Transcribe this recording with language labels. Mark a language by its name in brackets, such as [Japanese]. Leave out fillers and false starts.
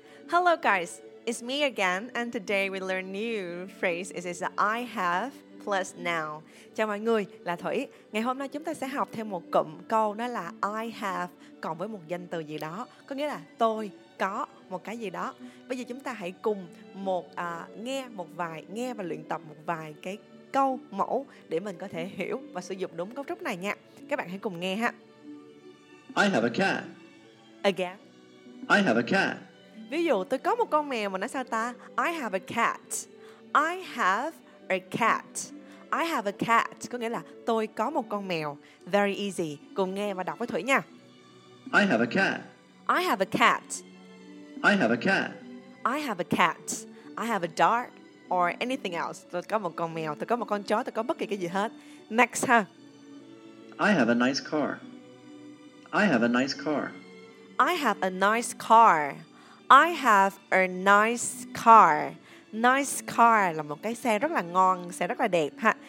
[English] Hello guys, it's me again, and today we learn new phrase. It is I have plus noun. [Vietnamese] Chào mọi người, là Thủy. Ngày hôm nay chúng ta sẽ học thêm một cụm câu, đó là I have cộng với một danh từ gì đó, có nghĩa là tôi có một cái gì đó. Bây giờ chúng ta hãy cùng một nghe và luyện tập một vài cái câu mẫu để mình có thể hiểu và sử dụng đúng cấu trúc này nha. Các bạn hãy cùng nghe ha. [English] I have a cat. Again. I have a cat. [Vietnamese] Ví dụ tôi có một con mèo mà nó sao ta? [English] I have a cat. I have a cat. I have a cat [Vietnamese] có nghĩa là tôi có một con mèo. [English] Very easy. [Vietnamese] Cùng nghe và đọc với Thủy nha. [English] I have a cat. I have a cat. I have a cat. I have a cat. I have a dog or anything else. [Vietnamese] Tôi có một con mèo, tôi có một con chó, tôi có bất kỳ cái gì hết. [English] Next ha. I have a nice car. I have a nice car. I have a nice car. I have a nice car. [Vietnamese] Nice car là một cái xe rất là ngon, xe rất là đẹp ha.